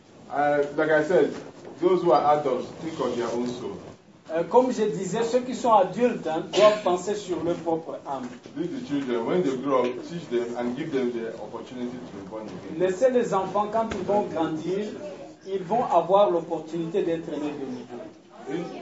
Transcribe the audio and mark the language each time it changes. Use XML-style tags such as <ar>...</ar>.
<en>Like I said, those who are adults think on their own soul.</en> <fr>Comme je disais, ceux qui sont adultes hein, doivent penser sur leur propre âme.</fr> <en>Lead the children when they grow up, teach them and give them the opportunity to be born again.</en> <fr>Laissez les enfants quand ils vont grandir, ils vont avoir l'opportunité d'être nés de nouveau.</fr>